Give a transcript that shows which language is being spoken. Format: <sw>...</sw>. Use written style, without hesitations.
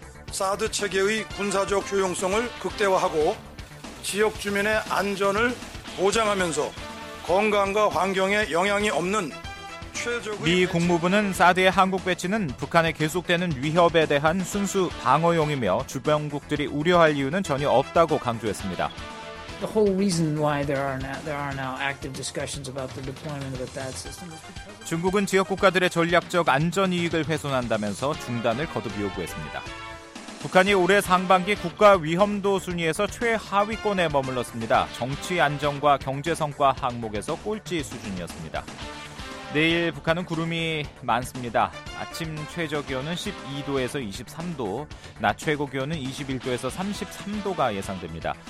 <ko>사드 체계의 군사적 효용성을 극대화하고 지역 주민의 안전을 보장하면서 건강과 환경에 영향이 없는 최적의 미 국무부는 사드의 한국 배치는 북한의 계속되는 위협에 대한 순수 방어용이며 주변국들이 우려할 이유는 전혀 없다고 강조했습니다.</ko> <en>The whole reason why there are now active discussions about the deployment of the THAAD system.</en> <ko>중국은 지역 국가들의 전략적 안전 이익을 훼손한다면서 중단을 거듭 요구했습니다. 북한이 올해 상반기 국가 위험도 순위에서 최하위권에 머물렀습니다. 정치 안정과 경제 성과 항목에서 꼴찌 수준이었습니다. 내일 북한은 구름이 많습니다. 아침 최저 기온은 12도에서 23도, 낮 최고 기온은 21도에서 33도가 예상됩니다.</ko>